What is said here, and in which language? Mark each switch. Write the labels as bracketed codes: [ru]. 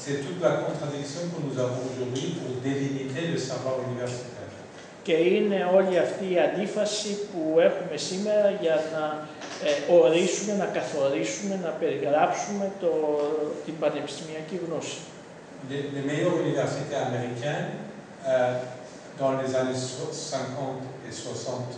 [fr] C'est toute la contradiction que nous avons aujourd'hui pour délimiter le savoir universitaire. [el] Και είναι όλη αυτή η αντίφαση που έχουμε σήμερα για να ορίσουμε, να καθορίσουμε, να περιγράψουμε την πανεπιστημιακή γνώση. [fr] Les meilleures universités américaines, dans les années 50 et 60,